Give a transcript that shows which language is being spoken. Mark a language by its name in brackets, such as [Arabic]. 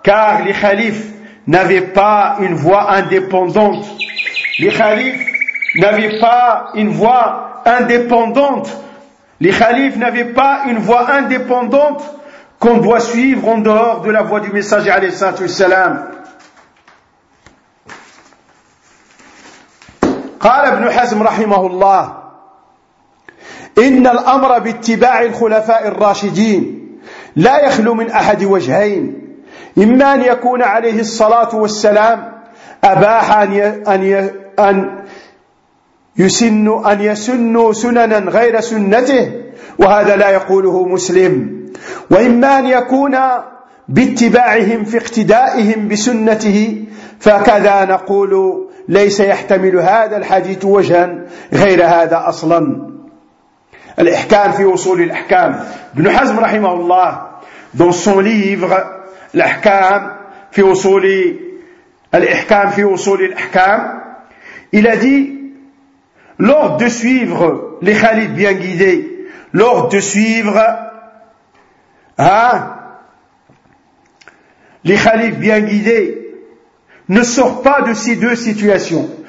[French] Car les khalifs n'avaient pas une voix indépendante. Les khalifs n'avaient pas une voix indépendante. Les khalifs n'avaient pas une voix indépendante qu'on doit suivre en dehors de la voix du messager alayhi salam. [Arabic] قال ابن حزم رحمه الله إن الأمر باتباع الخلفاء الراشدين لا يخلو من أحد وجهين, إما أن يكون عليه الصلاة والسلام أباح أن يسن أن يسن سننا غير سنته وهذا لا يقوله مسلم, وإما أن يكون باتباعهم في اقتدائهم بسنته فكذا نقول ليس يحتمل هذا الحديث وجها غير هذا أصلا. الإحكام في وصول الإحكام, ابن حزم رحمه الله [French] dans son livre l'Ihkam fi usuli l'Ihkam, il a dit l'ordre de suivre les khalifs bien guidés, l'ordre de suivre les khalifs bien guidés ne sort pas de ces deux situations.